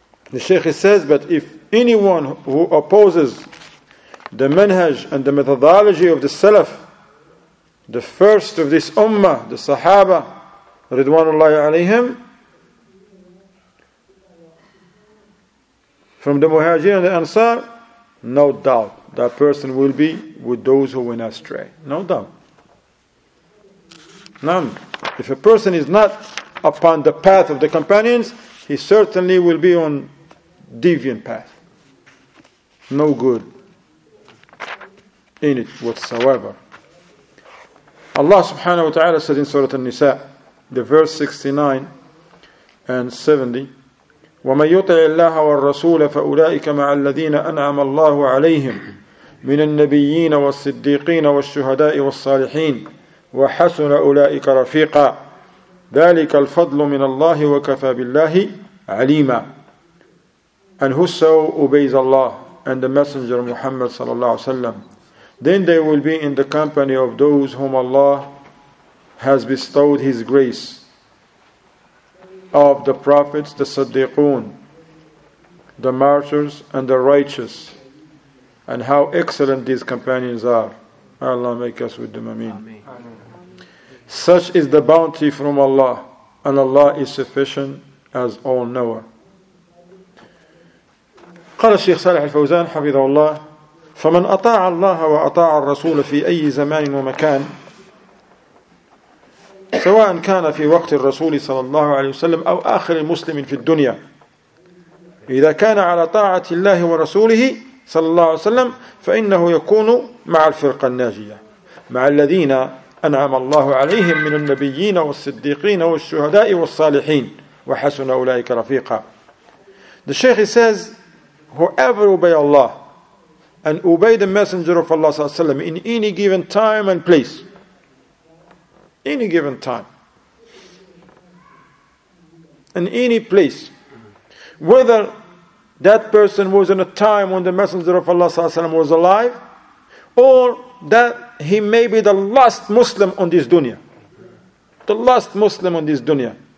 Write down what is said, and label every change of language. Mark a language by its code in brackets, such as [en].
[en] The Shaykh says, but if anyone who opposes the manhaj and the methodology of the Salaf, the first of this Ummah, the Sahaba, Ridwanullahi alayhim, from the Muhajir and the Ansar, no doubt that person will be with those who went astray. No doubt. None. If a person is not upon the path of the companions, he certainly will be on deviant path. No good in it whatsoever. Allah subhanahu wa ta'ala said in Surah An-Nisa, the verse 69 and 70, [ar] وَمَنْ يُطِعِ اللَّهَ وَالرَّسُولَ فَأُولَٰئِكَ مَعَ الَّذِينَ أَنْعَمَ اللَّهُ عَلَيْهِمْ مِنَ النَّبِيِّينَ وَالصِّدِّيقِينَ وَالشُّهَدَاءِ وَالصَّالِحِينَ وَحَسُنَ أُولَٰئِكَ رَفِيقًا ذَلِكَ الْفَضْلُ مِنَ اللَّهِ وَكَفَى بِاللَّهِ عَلِيمًا. [en] And whoso obeys Allah and the Messenger Muhammad sallallahu alaihi wasallam, then they will be in the company of those whom Allah has bestowed His grace, of the prophets, the Siddiqun, the martyrs, and the righteous. And how excellent these companions are. May Allah make us with them. Ameen. Such is the bounty from Allah, and Allah is sufficient as all knower. [ar] قال الشيخ صالح الفوزان حفظه الله فمن أطاع الله وأطاع الرسول في أي زمان ومكان سواء كان في وقت الرسول صلى الله عليه وسلم أو آخر المسلم في الدنيا إذا كان على طاعة الله ورسوله صلى الله عليه وسلم فإنه يكون مع الفرقة الناجية مع الذين أنعم الله عليهم من النبيين والصديقين والشهداء والصالحين وحسن أولئك رفيقا. [en] The Sheikh says, whoever obey Allah and obey the Messenger of Allah صلى الله عليه وسلم in any given time and place, any given time, in any place, whether that person was in a time when the Messenger of Allah sallallahu alaihi wasallam was alive, or that he may be the last Muslim on this dunya, the last Muslim on this dunya.